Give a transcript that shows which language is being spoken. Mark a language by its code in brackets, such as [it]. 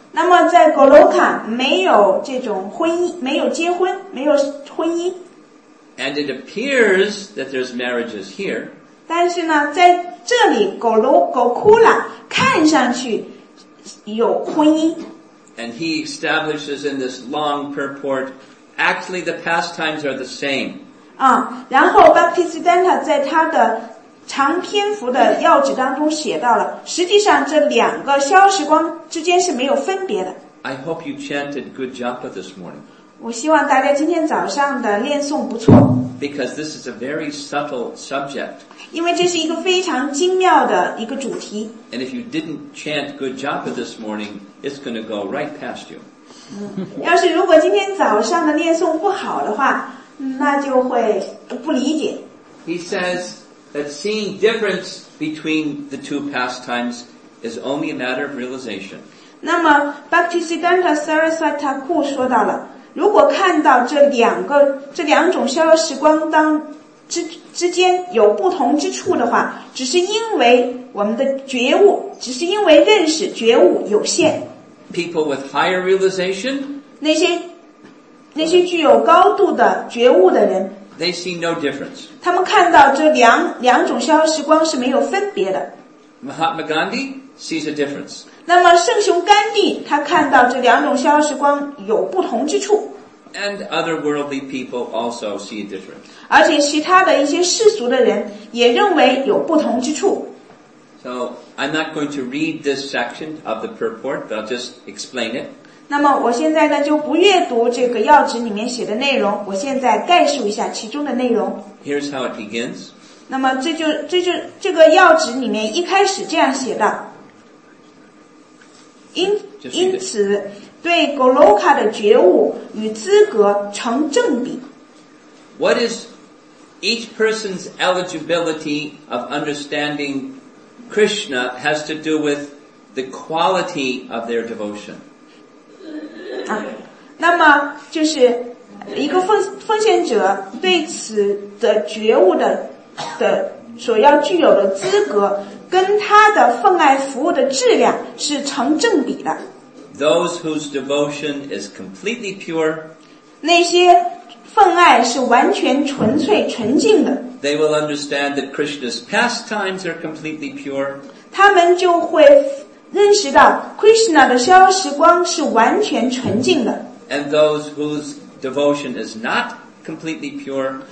[zh] 那么在格罗卡没有这种婚姻，没有结婚，没有婚姻。 [en] And it appears that there's marriages here. [zh] 但是呢，在这里格罗格库拉看上去有婚姻。 [en] And he establishes in this long purport, actually the pastimes are the same. [zh] 啊，然后巴皮斯丹塔在他的长篇幅的要旨当中写到了，实际上这两个消时光之间是没有分别的。 [en] I hope you chanted good japa this morning. [zh] 我希望大家今天早上的练诵不错。 [en] Because this is a very subtle subject. [zh] 因为这是一个非常精妙的一个主题。 [en] And if you didn't chant good japa this morning, it's going to go right past you. [zh] 要是如果今天早上的练诵不好的话，那就会不理解。 [en] He says. That seeing difference between the two pastimes is only a matter of realization. [zh] 那么 Bhaktisiddhanta Saraswati Thakur 说到了，如果看到这两种逍遥时光当之间有不同之处的话，只是因为我们的觉悟，只是因为认识觉悟有限。 [en] People with higher realization, [zh] 那些具有高度的觉悟的人。 [en] They see no difference. [zh] 他们看到这两种消耗时光是没有分别的。 [en] Mahatma Gandhi sees a difference. [zh] 那么圣雄甘地他看到这两种消耗时光有不同之处。 [en] And other worldly people also see a difference. [zh] 而且其他的一些世俗的人也认为有不同之处。 [en] So I'm not going to read this section of the purport, but I'll just explain it. [zh] 那么我现在呢就不阅读这个要旨里面写的内容，我现在概述一下其中的内容。 [en] Here's how it begins. [zh] 那么这就这个要旨里面一开始这样写的。因此对 Goloka 的觉悟与资格成正比。 [en] What is each person's eligibility of understanding Krishna has to do with the quality of their devotion. [zh] 啊，那么就是一个奉献者对此的觉悟的所要具有的资格，跟他的奉爱服务的质量是成正比的。 [en] Those whose devotion is completely pure， [zh] 那些奉爱是完全纯粹纯净的。 [en] They will understand that Krishna's pastimes are completely pure。 [zh] 他们就会。认识到 Krishna 的逍遥时光是完全纯净的。 [en] And those whose devotion is not completely pure.